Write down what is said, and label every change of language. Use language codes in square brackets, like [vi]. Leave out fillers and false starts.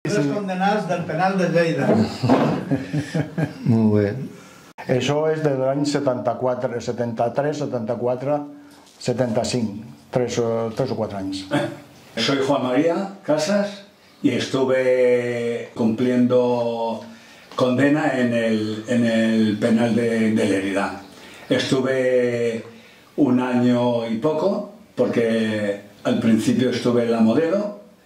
[es] Tres condenados del penal de Lleida. Muy bé. [ca] Això és de l'any 74, 73, 74, 75, tres o quatre anys. [es] Soy Juan María Casas y estuve cumpliendo condena en el penal de Lleida. Estuve un año y poco porque al principio estuve en la Modelo.